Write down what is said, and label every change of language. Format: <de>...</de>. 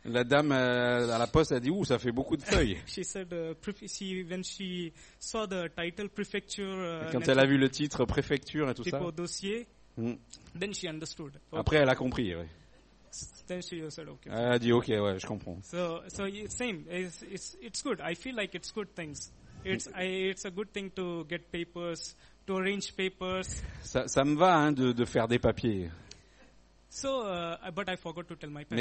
<fr>La dame à la poste a dit, ça fait beaucoup de feuilles.</fr> <en>She said, when she saw the title prefecture.</en> <fr>Quand elle a vu le titre préfecture et tout ça. Au dossier.</fr> <en>Then she understood.</en> <fr>Okay. Après, elle a compris, oui.</fr> <en>Then she said, okay.</en> <fr>Elle a dit OK, ouais, je comprends.</fr> <en>So same. It's good. I feel like it's good things. It's a good thing to get papers, to arrange papers.</en> <fr>Ça me va hein, de faire des papiers.</fr> <en>So, but I forgot to tell my parents.</en>